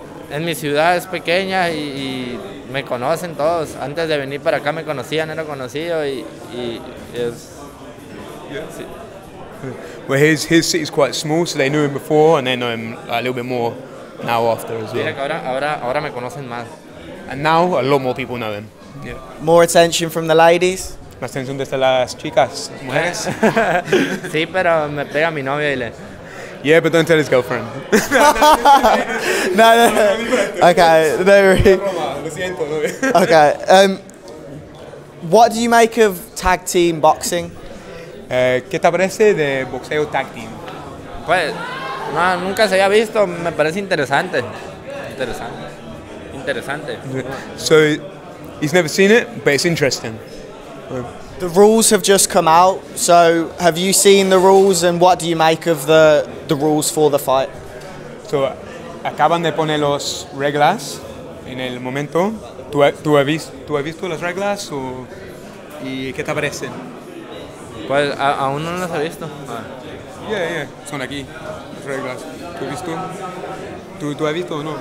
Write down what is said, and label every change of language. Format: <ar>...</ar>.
<es>En mi ciudad es pequeña y me conocen todos. Antes de venir para acá me conocían, era conocido y es. Yeah. Sí.</es> <en>Well, his city is quite small, so they knew him before and they know him a little bit more now after as well.</en> <es>Ahora me conocen más.</es> <en>And now a lot more people know him. Yeah. More attention from the ladies.</en> <es>Más atención desde las chicas, mujeres. Sí, pero me pega mi novia y le.</es> <en>Yeah, but don't tell his girlfriend. No. Okay, no worries. Okay. What do you make of tag team boxing?</en> <es>¿Qué te parece de boxeo tag team? Pues, no, nunca se había visto. Me parece interesante. Interesante. Interesante.</es> <en>So, he's never seen it, but it's interesting. The rules have just come out, so have you seen the rules and what do you make of the rules for the fight?</en> <es>So, acaban de poner las reglas en el momento. ¿Tú has visto las reglas o y qué te parecen? Pues aún no las he visto. Yeah, son aquí las reglas. ¿Tú has visto? ¿Tú has visto o no?</es>